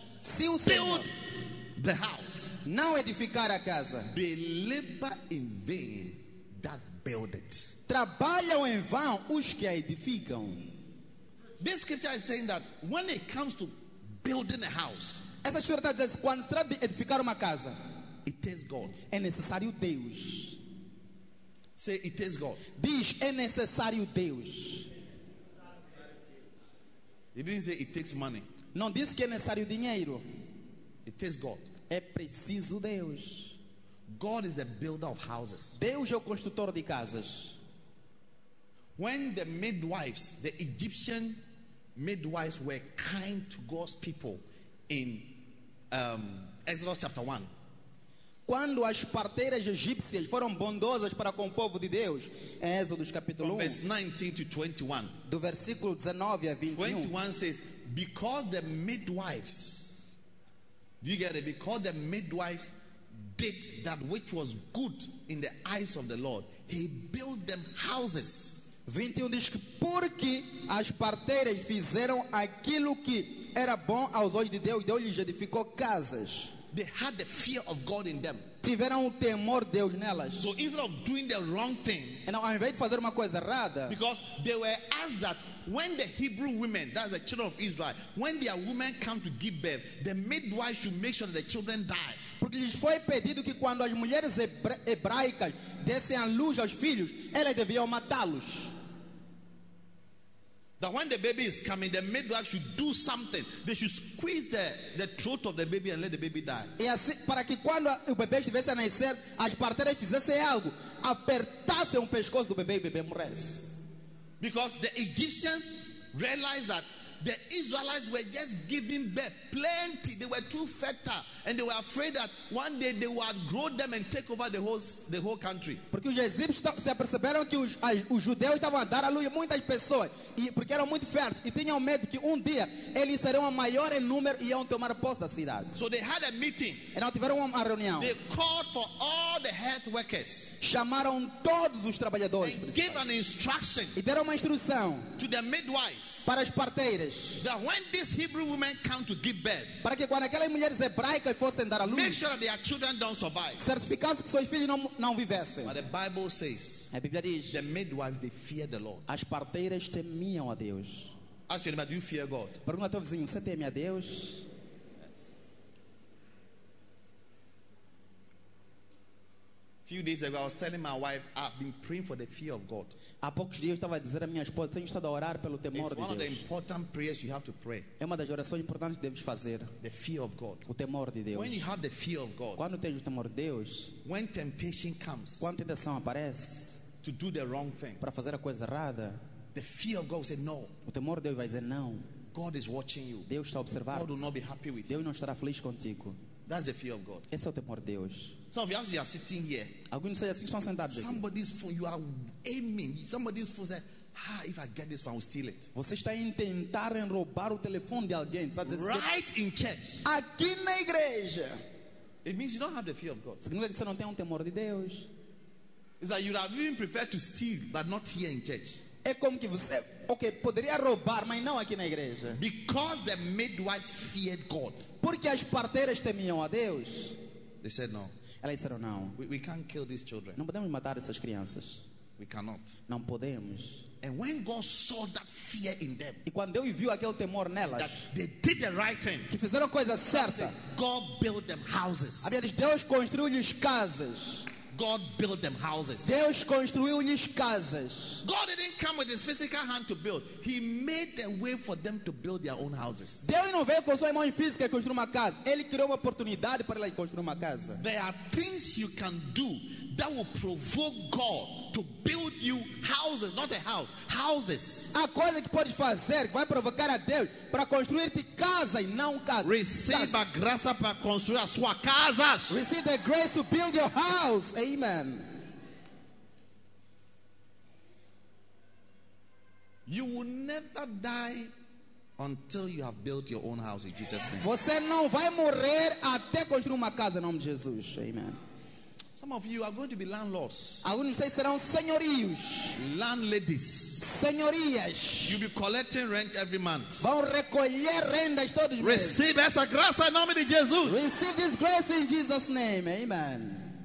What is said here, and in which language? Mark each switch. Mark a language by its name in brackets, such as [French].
[Portuguese] Se o Senhor [English] build the house. [Portuguese] Não edificar a casa. [English] They labor in vain that build it. [Portuguese] Trabalham em vão os que a edificam. [English] This scripture is saying that when it comes to building a house, [Portuguese] essa história está dizendo, quando se trata de edificar uma casa, [English] it takes God. [Portuguese] É necessário Deus. [English] Say it takes God. [Portuguese] Diz, é necessário Deus. [English] It didn't say it takes money. [Portuguese] Não diz que é necessário dinheiro. [English] It takes God. [Portuguese] É preciso Deus. [English] God is the builder of houses. [Portuguese] Deus é o construtor de casas. [English] When the midwives, the Egyptian midwives, were kind to God's people in Exodus chapter 1. [Portuguese] Quando as parteiras egípcias foram bondosas para com o povo de Deus, em Êxodo capítulo 1, [English] verse 19 to 21. [Portuguese] Do versículo 19 a 21. [English] 21 says, because the midwives, do you get it? Because the midwives did that which was good in the eyes of the Lord, he built them houses. [Portuguese] 21 diz que porque as parteiras fizeram aquilo que era bom aos olhos de Deus, Deus lhes edificou casas. [English] They had the fear of God in them. [Portuguese] Tiveram um temor de Deus nelas. [English] So instead of doing the wrong thing, and [Portuguese] ao invés de fazer uma coisa errada, [English] because they were asked that when the Hebrew women, that's the children of Israel, when their women come to give birth, the midwife should make sure that the children die. [Portuguese] Porque lhes foi pedido que quando as mulheres hebraicas dessem a luz aos filhos, elas deviam matá-los. [English] That when the baby is coming, the midwife should do something. They should squeeze the throat of the baby and let the baby die. [Portuguese] E assim, para que quando o bebê estivesse a nascer, as parteiras fizessem algo, apertassem o pescoço do bebê e o bebê morresse. [English] Because the Egyptians realized that the Israelites were just giving birth plenty. They were too fertile, and they were afraid that one day they would grow them and take over the whole country. [Portuguese] Porque os egípcios se aperceberam que os judeus estavam a dar à luz muitas pessoas, e porque eram muito férteis, e tinham medo que um dia eles seriam a maior em número e iam tomar posse da cidade. [English] So they had a meeting. [Portuguese] E não tiveram uma reunião. [English] They called for all the health workers. [Portuguese] Chamaram todos os trabalhadores. [English] And gave an instruction. [Portuguese] E deram uma instrução [English] to the midwives. [Portuguese] Para as parteiras. [English] That when these Hebrew women come to give birth, [Portuguese] para que quando aquelas mulheres hebraicas fossem dar a luz, [English] make sure that their children don't survive. [Portuguese] Certificasse que seus filhos não vivessem. [English] But the Bible says, [Portuguese] a Bíblia diz, [English] the midwives they fear the Lord. [Portuguese] As parteiras temiam a Deus. [English] Ask your neighbor, do you fear God? [Portuguese] Pergunta ao teu vizinho, você teme a Deus? [English] Yes. Few days ago, I was telling my wife, I've been praying for the fear of God. [Portuguese] Há poucos dias eu estava a dizer à minha esposa, tenho estado a orar pelo temor de Deus. [English] It's one of the important prayers you have to pray. [Portuguese] É uma das orações importantes que deves fazer. [English] The fear of God. [Portuguese] O temor de Deus. [English] When you have the fear of God. [Portuguese] Quando tens o temor de Deus. [English] When temptation comes. [Portuguese] Quando tentação aparece. [English] To do the wrong thing. [Portuguese] Para fazer a coisa errada. [English] The fear of God will say no. [Portuguese] O temor de Deus vai dizer não. [English] God is watching you. [Portuguese] Deus está a observar-te. [English] God will not be happy with you. [Portuguese] Deus não estará feliz contigo. [English] That's the fear of God. [Portuguese] Esse é o temor de Deus. [English] Some of you are sitting here. [Portuguese] Alguns de vocês estão sentados. [English] Somebody's phone, you are aiming. Somebody's phone says, ah, if I get this phone, I'll steal it. [Portuguese] Você está a tentar roubar o telefone de alguém. [English] Right in church. [Portuguese] Aqui na igreja. [English] It means you don't have the fear of God. [Portuguese] Significa que você não tem um temor de Deus. [English] It's like you have even preferred to steal, but not here in church. [Portuguese] É como que você, ok, poderia roubar, mas não aqui na igreja. [English] Because the midwives feared God. [Portuguese] Porque as parteiras temiam a Deus. [English] They said no. [Portuguese] Elas disseram não. [English] We can't kill these children. [Portuguese] Não podemos matar essas crianças. [English] We cannot. [Portuguese] Não podemos. [English] And when God saw that fear in them, [Portuguese] e quando Deus viu aquele temor nelas, [English] that they did the right thing, [Portuguese] que fizeram a coisa certa, [English] God built them houses. [Portuguese] A Bíblia diz, Deus construiu-lhes casas. [English] God built them houses. [Portuguese] Deus construiu-lhes casas. [English] God didn't come with his physical hand to build. He made a way for them to build their own houses. [Portuguese] Deus não veio com sua mão física construir uma casa. Ele criou uma oportunidade para ele construir uma casa. [English] There are things you can do that will provoke God to build you houses, not a house, houses. [Portuguese] Há coisas que podes fazer que vai provocar a Deus para construir-te casa e não casa. Receba a graça para construir a sua casa. [English] Receive the grace to build your house. Amen. You will never die until you have built your own house in Jesus' name. [Portuguese] Você não vai morrer até construir uma casa em nome de Jesus. [English] Amen. Some of you are going to be landlords. [Portuguese] Alguns de vocês serão senhorios. [English] Landladies. [Portuguese] Senhorias. [English] You'll be collecting rent every month. [Portuguese] Vão recolher rendas todos os meses. [English] Receive [Portuguese] essa graça em nome de Jesus. [English] Receive this grace in Jesus' name. Amen.